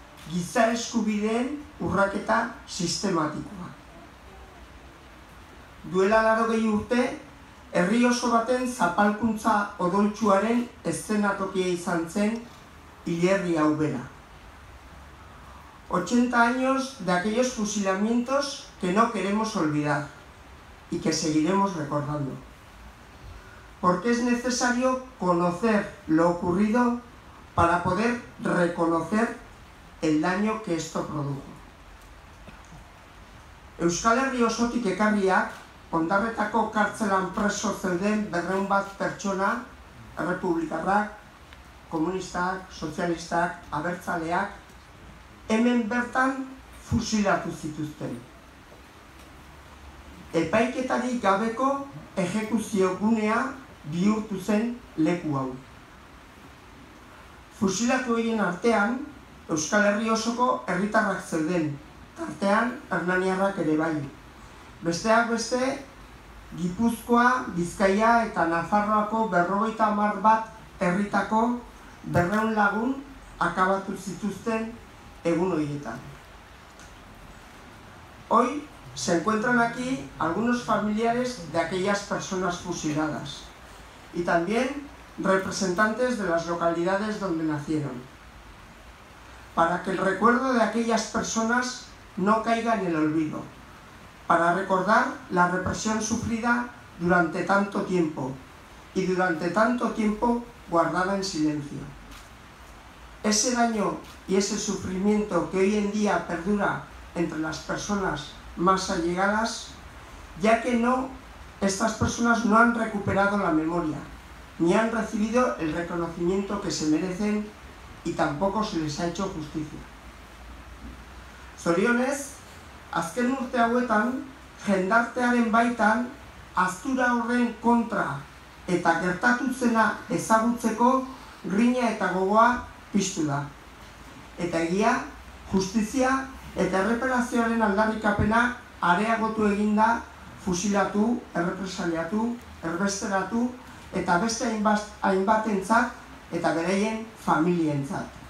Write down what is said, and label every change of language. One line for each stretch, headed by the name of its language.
Basque: Giza eskubideen urraketa sistematikoa. Duela 80 urte, herri oso baten zapalkuntza odoltsuaren eszenatokia izan zen hilerri hau bera.
Spanish: 80 años de aquellos fusilamientos que no queremos olvidar y que seguiremos recordando. Porque es necesario conocer lo ocurrido para poder reconocer el daño que esto produjo.
Basque: Euskal Herri osotik ekarriak Hondarretako kartzelan preso zeuden 200 bat pertsona, errepublikarrak, komunistak, sozialistak, abertzaleak, hemen bertan fusilatu zituzten. Epaiketarik gabeko exekuzio gunea bihurtu zen leku hau. Fusilatu horien artean, Euskal Herri osoko herritarrak zeuden, tartean hernaniarrak ere bai. Besteak beste, Gipuzkoa, Bizkaia eta Nafarroako 50 bat herritako 200 lagun akabatu zituzten egun horietan.
Spanish: Hoy se encuentran aquí algunos familiares de aquellas personas fusiladas y también representantes de las localidades donde nacieron, para que el recuerdo de aquellas personas no caiga en el olvido, para recordar la represión sufrida durante tanto tiempo y durante tanto tiempo guardada en silencio. Ese daño y ese sufrimiento que hoy en día perdura entre las personas más allegadas, ya que no, estas personas no han recuperado la memoria, ni han recibido el reconocimiento que se merecen y tampoco se les ha hecho justicia.
Basque: Zorionez, azken urte hauetan, jendartearen baitan, aztura horren kontra eta gertatutzena ezagutzeko grina eta gogoa piztu da. Eta egia, justizia eta erreparazioaren aldarrikapena areagotu eginda fusilatu, errepresaliatu, erbesteratu eta beste hainbatentzat eta beraien familientzat.